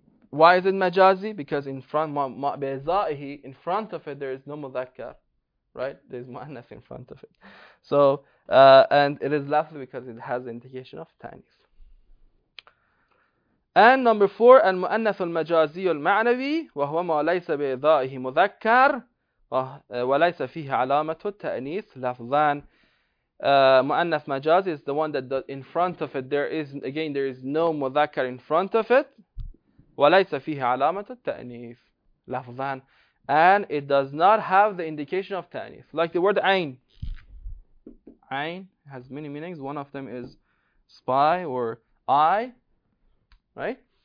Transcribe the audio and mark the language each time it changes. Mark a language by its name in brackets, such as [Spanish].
[English] Why is it مجازي? Because in front بإزائه, in front of it, there is no مذكر, right? There is مؤنث in front of it. So and it is لفظ because it has the indication of ta'anith. And number four, [Arabic] المؤنث المجازي المعنوي وهو ما ليس بإضائه مذكر وليس فيه علامة التأنيث لفظان. [English] مؤنث مجازي is the one that in front of it there is again there is no مذكر in front of it [Arabic] وليس فيه علامة التأنيث لفظان. [English] And it does not have the indication of تأنيث. Like the word عين. عين has many meanings. One of them is spy or eye. Right?